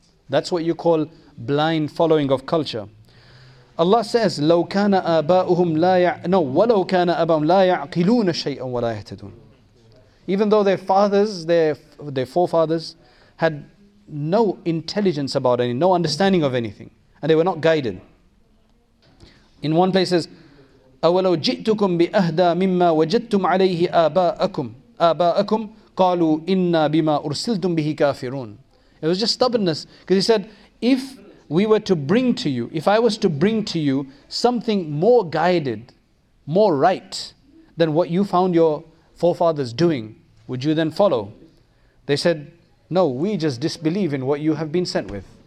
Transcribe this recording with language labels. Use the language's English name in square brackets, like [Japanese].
[English] That's what you call blind following of culture. Allah says, [Arabic] لَوْ كَانَ آبَاؤُهُمْ لَا يَعْقِلُونَ وَلَوْ كَانَ آبَاؤُهُمْ لَا يَعْقِلُونَ شَيْئًا وَلَا يَهْتَدُونَ [English] Even though their fathers, their forefathers had no intelligence about any, no understanding of anything, and they were not guided. In one place it says, [Arabic] أَوَلَوْ جِئْتُكُمْ بِأَهْدَى مِمَّا وَجَدْتُمْ عَلَيْهِ آبَاءَكُمْ قَالُوا إِنَّا بِمَا أُرْسِلْتُمْ بِهِ كَافِرُونَ [English] It was just stubbornness. Because he said, if I was to bring to you something more guided, more right, than what you found your forefathers doing, would you then follow? They said, no, we just disbelieve in what you have been sent with.